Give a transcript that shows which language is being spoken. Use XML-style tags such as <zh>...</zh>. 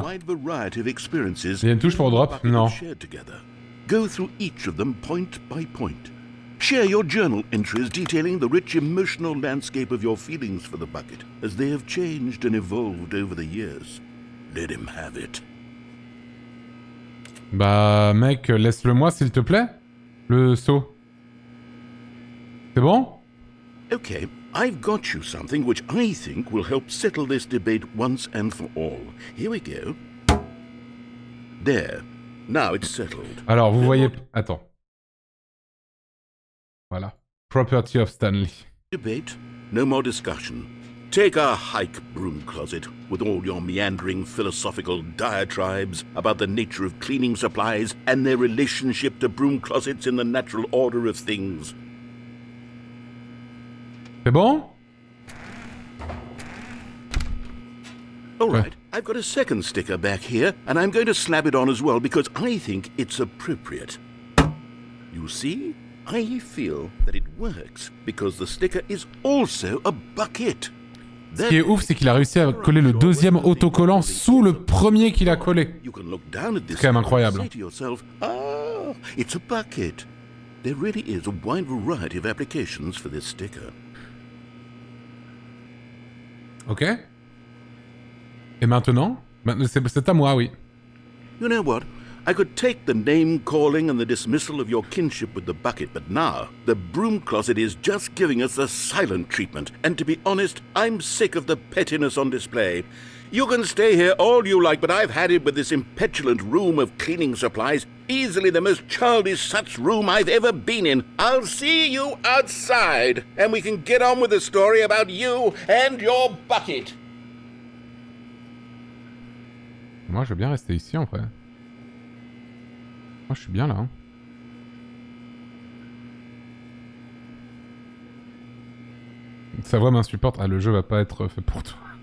<en>A wide variety of experiences.</en> <fr>Il y a une touche pour drop? Non.</fr> <en>Go through each of them point by point. Share your journal entries detailing the rich emotional landscape of your feelings for the bucket as they have changed and evolved over the years. Let him have it.</en> <fr>Bah, mec, laisse-le-moi, s'il te plaît. Le seau. C'est bon?</fr> <en>Okay, I've got you something which I think will help settle this debate once and for all. Here we go. There. Now it's settled.</en> <fr>Alors, vous voyez... Attends.</fr> <en>Voilà. Property of Stanley. Debate. No more discussion. Take a hike, broom closet, with all your meandering philosophical diatribes about the nature of cleaning supplies and their relationship to broom closets in the natural order of things.</en> <fr>C'est bon?</fr> <en>All right. Ouais. I've got a second sticker back here, and I'm going to slap it on as well because I think it's appropriate. You see? I feel that it works because the sticker is also a bucket.</en> <fr>Ce qui est ouf, c'est qu'il a réussi à coller le deuxième autocollant sous le premier qu'il a collé. C'est quand même incroyable.</fr> <en>Oh, it's a bucket. There really is a wide variety of applications for this sticker.</en> <fr>OK. Et maintenant, c'est à moi, oui.</fr> <en>You know what? I could take the name-calling and the dismissal of your kinship with the bucket, but now, the broom closet is just giving us the silent treatment, and to be honest, I'm sick of the pettiness on display. You can stay here all you like, but I've had it with this impetulant room of cleaning supplies, easily the most childish such room I've ever been in. I'll see you outside, and we can get on with the story about you and your bucket.</en> <fr>Moi, je veux bien rester ici, en vrai. Moi, je suis bien là. Hein. Sa voix m'insupporte. Ah, le jeu va pas être fait pour toi.</fr>